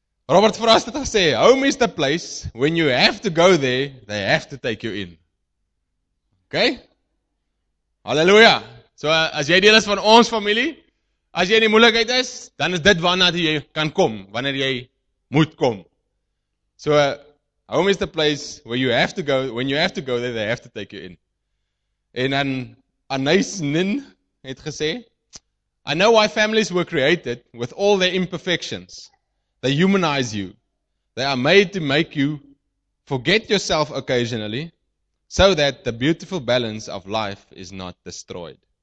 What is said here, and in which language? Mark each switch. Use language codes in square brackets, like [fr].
[en] Robert Frost [af] het gesê, [en] home is the place, when you have to go there, they have to take you in. Ok? Halleluja! [af] So, as jy deel is van ons familie, as jy in die moeilikheid is, dan is dit waarna jy kan kom, wanneer jy moet kom. [en] So, home is the place, when you have to go there, they have to take you in. [af] En dan, [en] Anais Nin [af] het gesê, [en] I know why families were created, with all their imperfections. They humanize you. They are made to make you forget yourself occasionally so that the beautiful balance of life is not destroyed.